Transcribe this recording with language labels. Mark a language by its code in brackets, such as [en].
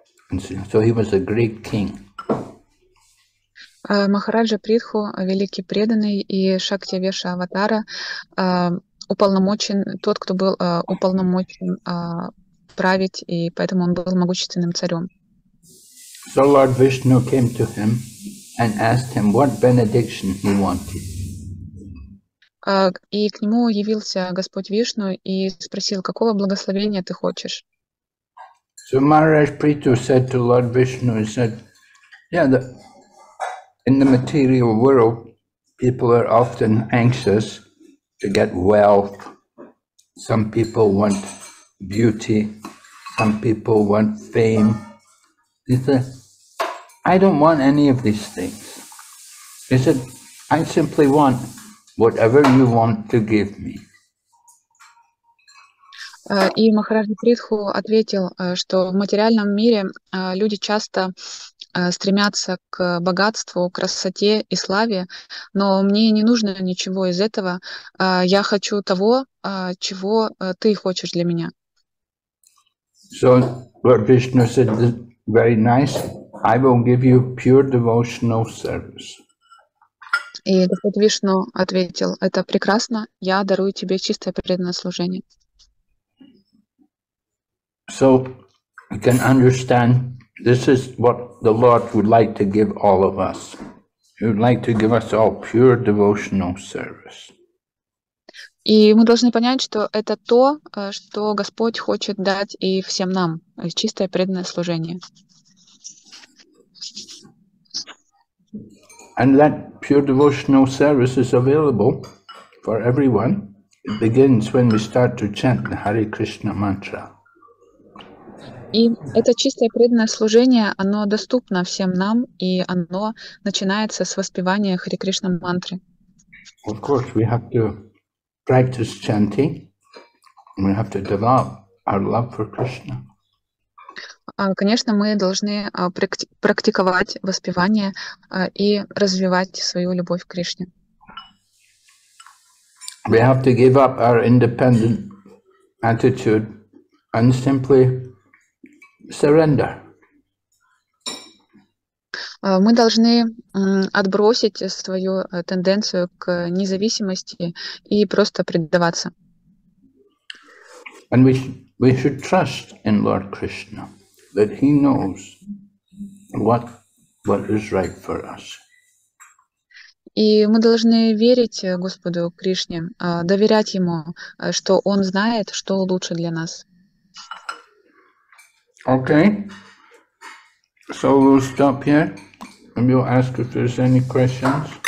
[en] And so he was a great king. [ru] Махараджа Притху, великий преданный и Шакти Веша Аватара, уполномочен, тот, кто был уполномочен править, и поэтому он был могущественным царем. [en] So Lord Vishnu came to him and asked him what benediction he wanted. [ru] И к нему явился Господь Вишну и спросил, какого благословения ты хочешь? [en] So Maharaj Prithu said to Lord Vishnu, he said, yeah, the in the material world, people are often anxious to get wealth. Some people want beauty. Some people want fame. He said, I don't want any of these things. He said, I simply want whatever you want to give me. [ru] И Махарадж Притху ответил, что в материальном мире люди часто стремятся к богатству, красоте и славе, но мне не нужно ничего из этого. Я хочу того, чего ты хочешь для меня. [en] So Lord Vishnu said, very nice. I will give you pure devotional service. [ru] И Господь Вишну ответил, это прекрасно, я дарую тебе чистое преданное служение. [en] So you can understand this is what the Lord would like to give all of us. He would like to give us all pure devotional service. [ru] И мы должны понять, что это то, что Господь хочет дать и всем нам, чистое преданное служение. [en] And that pure devotional service is available for everyone. It begins when we start to chant the Hare Krishna mantra. [ru] И это чистое преданное служение, оно доступно всем нам, и оно начинается с воспевания Хари Кришна мантры. [en] Of course, we have to practice chanting. We have to develop our love for Krishna. [ru] Конечно, мы должны практиковать воспевание и развивать свою любовь к Кришне. [en] We have to give up our independent attitude and simply surrender. [ru] Мы должны отбросить свою тенденцию к независимости и просто предаваться. [en] And we should trust in Lord Krishna, that he knows what is right for us. [ru] И мы должны верить Господу Кришне, доверять ему, что он знает, что лучше для нас. [en] Okay. So we'll stop here and we'll ask if there's any questions.